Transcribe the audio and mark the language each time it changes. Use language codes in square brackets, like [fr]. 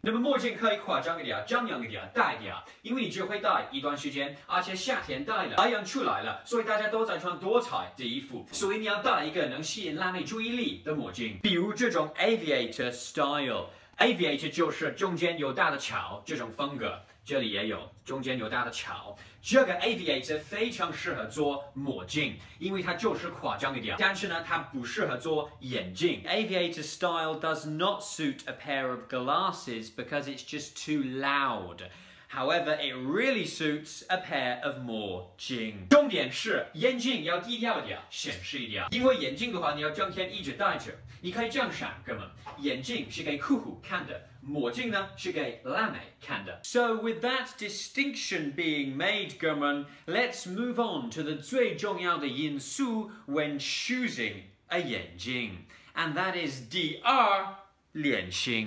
[zh] 那么墨镜可以夸张一点，张扬一点，大一点，因为你只会戴一段时间，而且夏天戴了，太阳出来了，所以大家都在穿多彩的衣服，所以你要戴一个能吸引辣妹注意力的墨镜，比如这种 aviator style。 Aviator 就是中间有大的桥这种风格，这里也有中间有大的桥。这个 Aviator 非常适合做墨镜，因为它就是夸张一点，但是呢它不适合做眼镜。 [en] Aviator style does not suit a pair of glasses because it's just too loud. However, it really suits a pair of 墨镜。 [zh] 重点是眼镜要低调一点，显示一点，因为眼镜的话你要整天一直戴着，你可以这样闪，哥们，眼镜是给酷酷看的，墨镜呢是给辣妹看的。 [en] So with that distinction being made, 哥们， let's move on to the [zh] 最重要的因素 [en] when choosing a 眼镜， and that is [zh] 第二，脸型。